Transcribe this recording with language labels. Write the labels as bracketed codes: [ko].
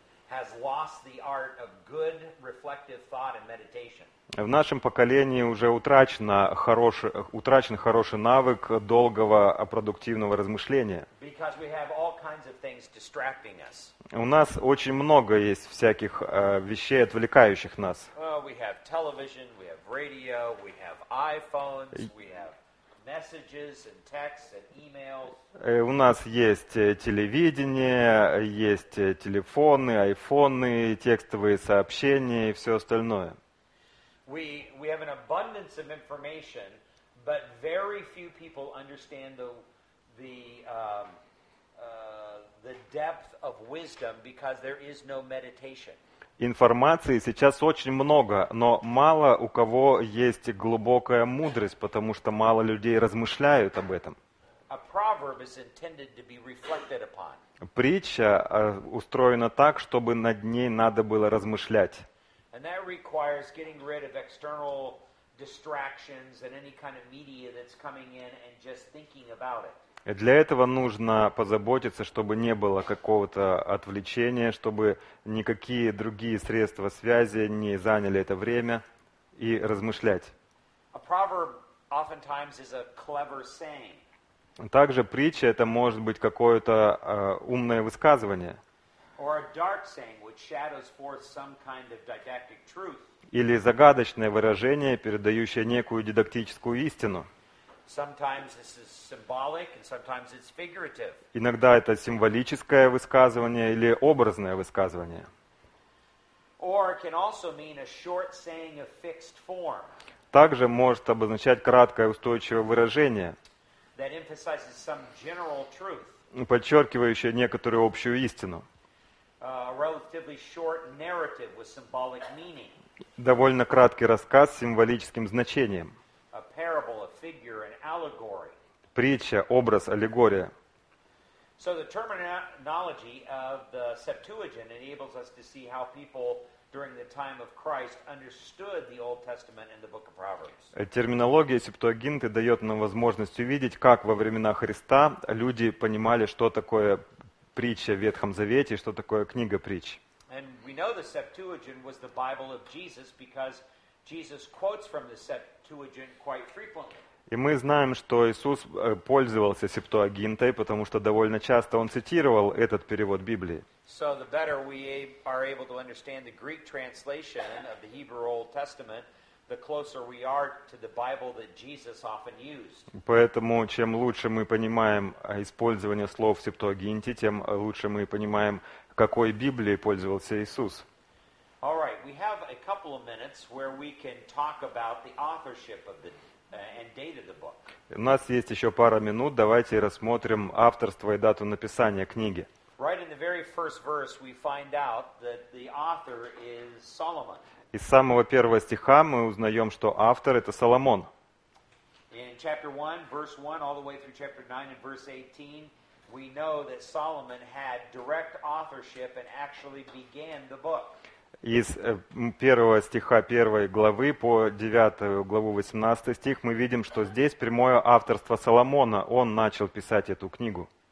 [en] has lost the art of good reflective thought and meditation. [ru] В нашем поколении уже утрачен хороший навык долгого продуктивного размышления. [en] Because we have all kinds of things distracting us. [ru] У нас очень много есть всяких вещей, отвлекающих нас. [en] We have television, we have radio, we have iPhones, we have messages and texts and emails. [ru] У нас есть телевидение, есть телефоны, айфоны, текстовые сообщения и все остальное. [en] We have an abundance of information, but very few people understand the depth of wisdom because there is no meditation. [ru] Информации сейчас очень много, но мало у кого есть глубокая мудрость, потому что мало людей размышляют об этом. [en] A proverb is intended to be reflected upon. [ru] Притча устроена так, чтобы над ней надо было размышлять. [en] And that requires getting rid of external distractions and any kind of media that's coming in and just thinking about it. [ru] Для этого нужно позаботиться, чтобы не было какого-то отвлечения, чтобы никакие другие средства связи не заняли это время и размышлять. [en] A proverb oftentimes is a clever saying. [ru] Также притча это может быть какое-то умное высказывание. [en] Or a dark saying which shadows forth some kind of didactic truth. [ru] Или загадочное выражение, передающее некую дидактическую истину. [en] Sometimes this is symbolic and sometimes it's figurative. [ru] Иногда это символическое высказывание или образное высказывание. [en] Or it can also mean a short saying of fixed form. [ru] Также может обозначать краткое устойчивое выражение. [en] That emphasizes some general truth. [ru] Подчеркивающее некоторую общую истину. [en] A relatively short narrative with symbolic meaning. [ru] Довольно краткий рассказ с символическим значением. [en] A parable, a figure, an allegory. [ru] Притча, образ, аллегория. [en] So the terminology of the Septuagint enables us to see how people during the time of Christ understood the Old Testament and the Book of Proverbs. [ru] Терминология Септуагинты дает нам возможность увидеть, как во времена Христа люди понимали, что такое притча в Ветхом Завете, что такое книга притч. [en] And we know the Septuagint was the Bible of Jesus because Jesus quotes from the Septuagint quite frequently. [ru] И мы знаем, что Иисус пользовался Септуагинтой, потому что довольно часто он цитировал этот перевод Библии. [en] So the better we are able to understand the Greek translation of the Hebrew Old Testament, the closer we are to the Bible that Jesus often used. [ru] Поэтому чем лучше мы понимаем использование слов в Септуагинте, тем лучше мы понимаем, какой Библией пользовался Иисус. [en] All right, we have a couple of minutes where we can talk about the authorship of the and date of the book. [ru] У нас есть еще пара минут, давайте рассмотрим авторство и дату написания книги. [en] Right in the very first verse we find out that the author is Solomon. [ru] Из самого первого стиха мы узнаем, что автор – это Соломон. [en] In chapter 1, verse 1, all the way through chapter 9 and verse 18, we know that Solomon had direct authorship and actually began the book. [ru] Из первого стиха первой главы по девятую главу 18 стих мы видим, что здесь прямое авторство Соломона. Он начал писать эту книгу.